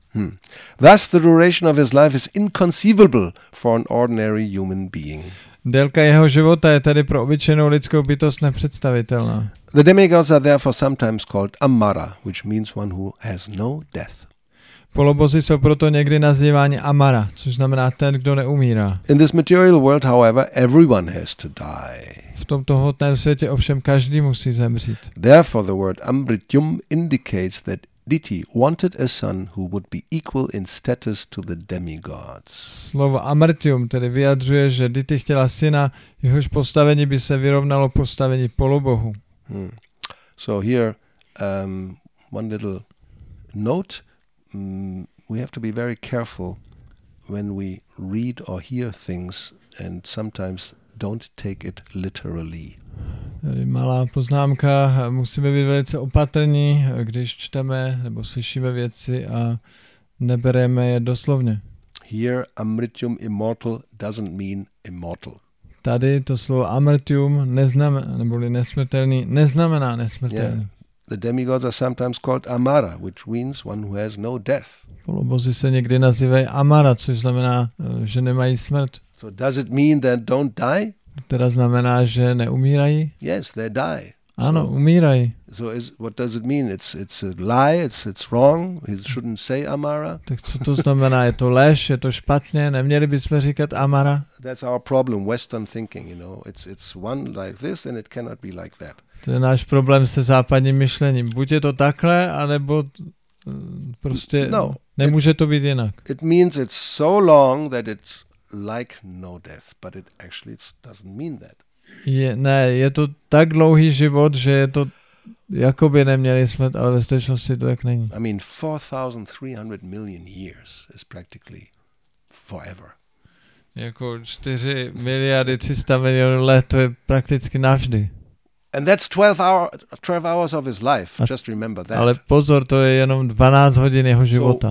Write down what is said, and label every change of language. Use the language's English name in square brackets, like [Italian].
[English] Hmm. Thus the duration of his life is inconceivable for an ordinary human being. [Czech] Délka jeho života je tedy pro obyčejnou lidskou bytost nepředstavitelná. [English] The demigods are therefore sometimes called Amara, which means one who has no death. [Czech] Polobozy jsou proto někdy nazýváni Amara, což znamená ten, kdo neumírá. [English] In this material world, however, everyone has to die. [Czech] V tomto hmotném světě ovšem každý musí zemřít. [English] Therefore the word Amrityum indicates that Diti wanted a son who would be equal in status to the demigods. [Czech] Slovo Amrityum tedy vyjadřuje, že Diti chtěla syna, jehož postavení by se vyrovnalo postavení polobohu. [English] Hmm. So here one little note. We have to be very careful when we read or hear things and sometimes don't take it literally. [Czech] Tady malá poznámka, musíme být velice opatrní, když čteme nebo slyšíme věci a nebereme je doslovně. [English] Here Amrityum immortal doesn't mean immortal. [Czech] Tady to slovo Amrityum neznamená, neboli nesmrtelný, neznamená nesmrtelný. Yeah. [English] The demigods are sometimes called Amara, which means one who has no death. [Czech] Polobozy se někdy nazývají Amara, což znamená, že nemají smrt. [English] So does it mean that don't die? [Czech] Teda znamená, že neumírají? [English] Yes, they die. [Czech] Ano, umírají. [English] So is, what does it mean? It's a lie, it's wrong, he shouldn't say Amara. [Czech] Tak co to znamená? Je to lež, je to špatně, neměli bychom říkat Amara? [English] That's our problem, Western thinking, you know. It's one like this and it cannot be like that. [Czech] To je náš problém se západním myšlením. Buď je to takhle, anebo prostě no, nemůže to být jinak. [English] It means it's so long that it's like no death, but it actually doesn't mean that. [Czech] Je to tak dlouhý život, že je to jakoby neměli smrt, ale ve skutečnosti to tak není. [English] I mean 4,300 million years is practically forever. [Czech] Jako 4,300,000,000 let, to je prakticky navždy. [English] And that's 12 hours of his life. Just remember that. [Czech] Ale pozor, to je jenom 12 hodin jeho života.